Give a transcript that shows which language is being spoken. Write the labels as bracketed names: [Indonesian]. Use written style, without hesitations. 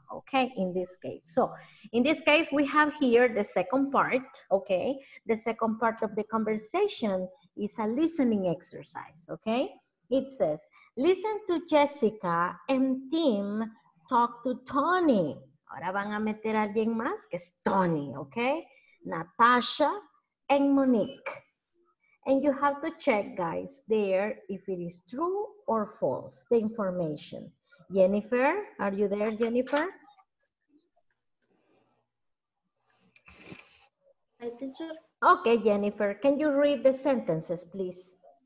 [English] Okay, in this case. So, in this case, we have here the second part, okay? The second part of the conversation is a listening exercise, okay? It says, listen to Jessica and Tim talk to Tony. [Spanish] Ahora van a meter a alguien más, que es Tony, okay? [English] Natasha and Monique. And you have to check, guys, there if it is true or false, the information. Jennifer, are you there, Jennifer? Hi, teacher. Okay, Jennifer, can you read the sentences, please?